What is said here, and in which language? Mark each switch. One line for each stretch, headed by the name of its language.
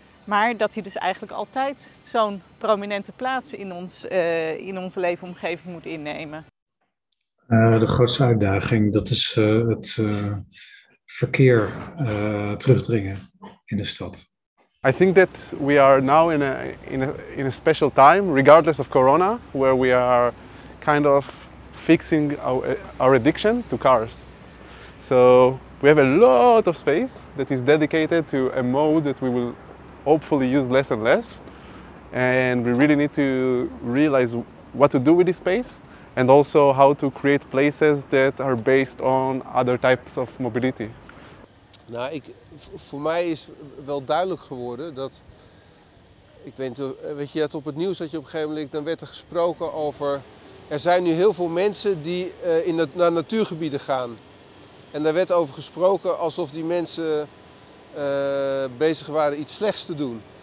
Dutch: Maar dat die dus eigenlijk altijd zo'n prominente plaats in onze leefomgeving moet innemen. De grootste uitdaging, dat is het verkeer terugdringen in de stad.
English: I think that we are now in a special time, regardless of corona, where we are kind of fixing our addiction to cars. So we have a lot of space that is dedicated to a mode that we will hopefully use less and less. And we really need to realize what to do with this space and also how to create places that are based on other types of mobility.
Dutch: Nou, voor mij is wel duidelijk geworden dat, ik weet je dat op het nieuws dat je op een gegeven moment, dan werd er gesproken over, er zijn nu heel veel mensen die naar natuurgebieden gaan. En daar werd over gesproken alsof die mensen bezig waren iets slechts te doen.